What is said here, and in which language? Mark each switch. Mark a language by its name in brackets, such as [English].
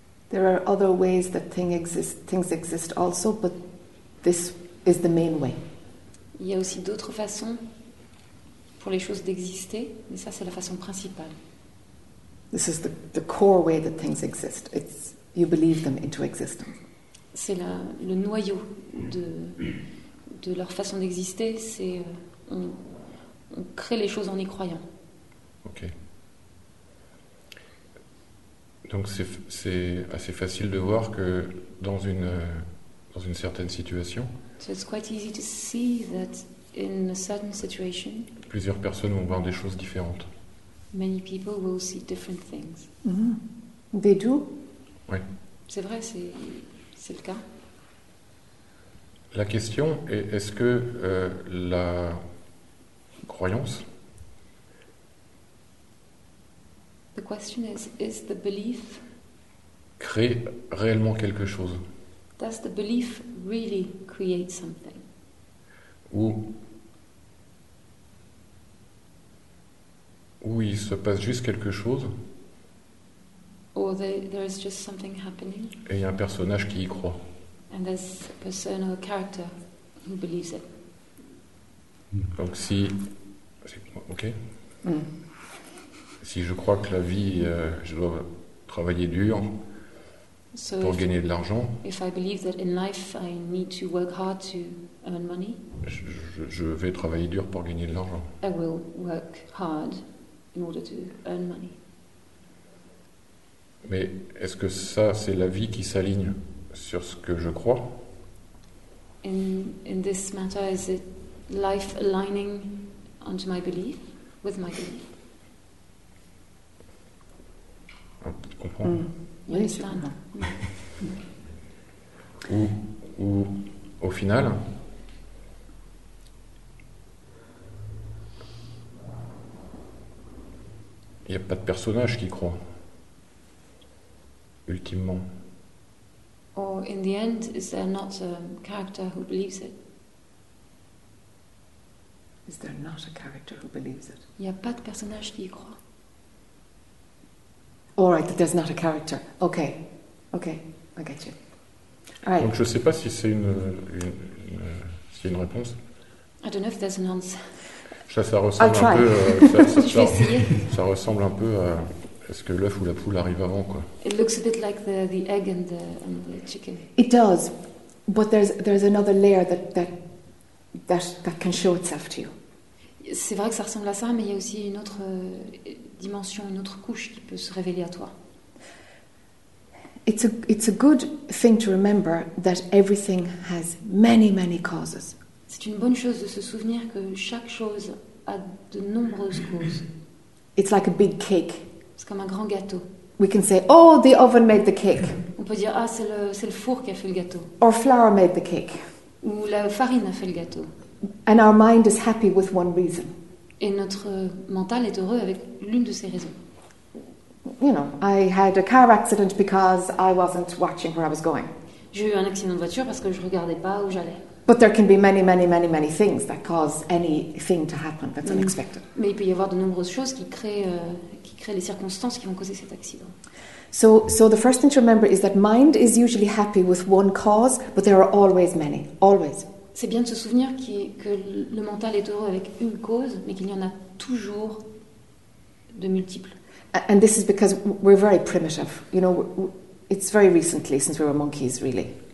[English] There are other ways that things exist also, but this is the main way. [French] Il y a aussi d'autres façons pour les choses d'exister, mais ça, c'est la façon principale. [English] This is the core way that things exist. It's you believe them into existence. [French] C'est le noyau de leur façon d'exister. C'est on crée les choses en y croyant. Ok. Donc c'est assez facile de voir que dans une certaine situation. [English] So it's quite easy to see that in a certain situation. [French] Plusieurs personnes vont voir des choses différentes. [English] Many people will see different things. Mm-hmm. They do? [French] Oui. C'est vrai, c'est le cas. La question est, est-ce que la croyance... [English] The question is the belief... [French] crée réellement quelque chose? [English] Does the belief really create something? [French] Ou il se passe juste quelque chose. [English] Or there is just something happening. [French] Et il y a un personnage qui y croit. [English] And there's a person or a character who believes it. [French] Donc si... Ok. Mm. Si je crois que la vie, je dois travailler dur pour gagner de l'argent. [English] If I believe that in life I need to work hard to earn money. [French] Je vais travailler dur pour gagner de l'argent. [English] I will work hard. In order to earn money. [French] Mais est-ce que ça, c'est la vie qui s'aligne sur ce que je crois? [English] In this matter, is it life aligning onto my belief, with my belief? [French] comprends. Mmh. Oui, c'est un an. ou au final, il n'y a pas de personnage qui croit, ultimement. [English] Or in the end, is there not a character who believes it? Is there not a character who believes it? [French] Il n'y a pas de personnage qui y croit. [English] All right, there's not a character. Okay, I get you. All right. [French] Donc je ne sais pas si c'est une réponse. [English] I don't know if there's an answer. [French] Ça ressemble [English] I'll try. [French] Un peu. ça ressemble un peu à. Est-ce que l'œuf ou la poule arrive avant, quoi? [English] It looks a bit like the egg and the chicken. It does, but there's another layer that can show itself to you. [French] C'est vrai que ça ressemble à ça, mais il y a aussi une autre dimension, une autre couche qui peut se révéler à toi. [English] It's a good thing to remember that everything has many many causes. [French] C'est une bonne chose de se souvenir que chaque chose a de nombreuses causes. [English] It's like a big cake. [French] C'est comme un grand gâteau. [English] We can say, oh, the oven made the cake. [French] On peut dire, ah, c'est le four qui a fait le gâteau. [English] Or flour made the cake. [French] Ou la farine a fait le gâteau. [English] And our mind is happy with one reason. [French] Et notre mental est heureux avec l'une de ces raisons. [English] You know, I had a car accident because I wasn't watching where I was going. [French] J'ai eu un accident de voiture parce que je regardais pas où j'allais. [English] But there can be many, many, many, many things that cause anything to happen that's unexpected. [French] Mais il peut y avoir de nombreuses choses qui créent les circonstances qui vont causer cet accident. [English] So the first thing to remember is that mind is usually happy with one cause, but there are always many, always. [French] C'est bien de se souvenir que le mental est heureux avec une cause, mais qu'il y en a toujours de multiples. [English] And this is because we're very primitive. You know, it's very recently since we were monkeys, really.